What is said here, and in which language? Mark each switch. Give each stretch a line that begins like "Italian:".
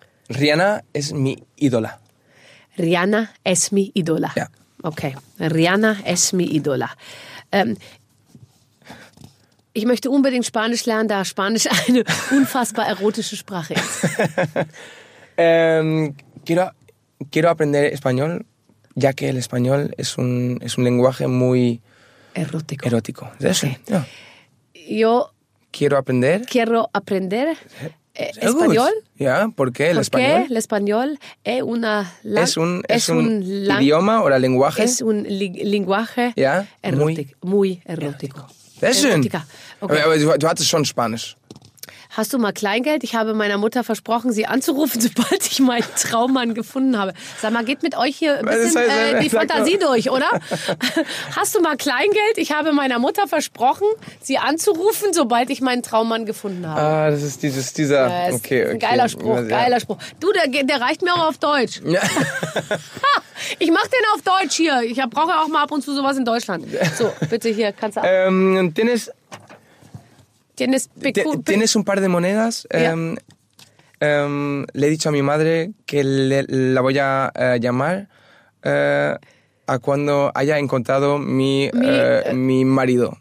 Spanish: Rihanna es mi ídola. Rihanna es mi ídola.
German: Ja.
Spanish: Okay. Rihanna es mi ídola.
German: Ich möchte unbedingt Spanisch lernen, da Spanisch eine unfassbar erotische Sprache ist.
Spanish: Quiero aprender español, ya que el español es un lenguaje muy erótico. Erótico. Okay. Yeah. Yo quiero aprender español. Ya, yeah. ¿Por qué el español? Es una idioma o la lenguaje. Es un lenguaje yeah. muy erótico.
German: Sehr schön. Okay. Aber du hattest schon Spanisch. Hast du mal Kleingeld? Ich habe meiner Mutter versprochen, sie anzurufen, sobald ich meinen Traummann gefunden habe. Sag mal, geht mit euch hier ein bisschen die Fantasie durch, oder? Hast du mal Kleingeld? Ich habe meiner Mutter versprochen, sie anzurufen, sobald ich meinen Traummann gefunden habe. Ah, das ist dieser... Okay, ist ein geiler Spruch, Du, der reicht mir auch auf Deutsch. Ja. Ich mach den auf Deutsch hier. Ich brauche auch mal ab und zu sowas in Deutschland. So, bitte hier, kannst du ab. Dennis...
Spanish: ¿Tienes un par de monedas? Yeah. Le he dicho a mi madre que la voy a llamar a cuando haya encontrado mi marido.